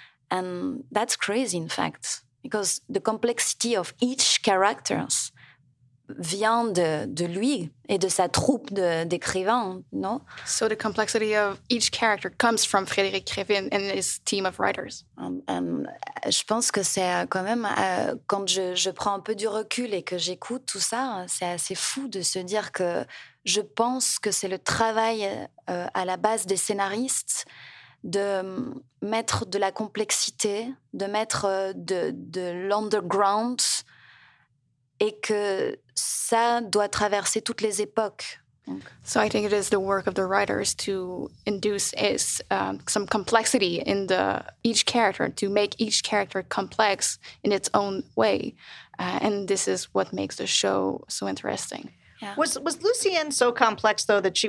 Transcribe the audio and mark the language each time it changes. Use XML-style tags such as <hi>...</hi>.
<en>And that's crazy, in fact, because the complexity of each character</en> <fr>vient de lui et de sa troupe d'écrivains,</fr> <en>no? So the complexity of each character comes from Frédéric Rivine and his team of writers.</en> <fr>Je pense que c'est quand même, quand je prends un peu du recul et que j'écoute tout ça, c'est assez fou de se dire que je pense que c'est le travail à la base des scénaristes de mettre de la complexité, de mettre de l'underground, et que ça doit traverser toutes les époques.</fr> <en>So I think it is the work of the writers to induce some complexity in each character, to make each character complex in its own way. And this is what makes the show so interesting. Yeah. Was Lucienne so complex, though, that she...</en>